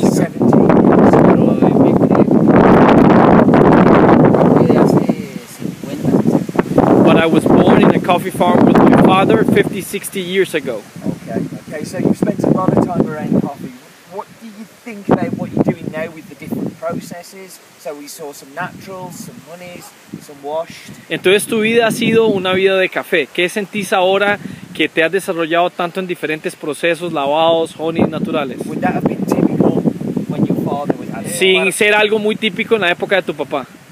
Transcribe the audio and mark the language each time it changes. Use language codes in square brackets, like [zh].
[es] years. Pero me creo que hace 50, 60. [en] But I was born in a coffee farm with my father 50, 60 years ago. Okay, so you've spent a lot of time around coffee. What do you think about what you're doing now with the different processes? So we saw some naturals, some honeys, some washed. [es] Entonces tu vida ha sido una vida de café. ¿Qué sentís ahora que te has desarrollado tanto en diferentes procesos, lavados, honeys naturales? [en] Would that have been typical when your father would have [es] Sin ser algo muy típico en la época de tu papá.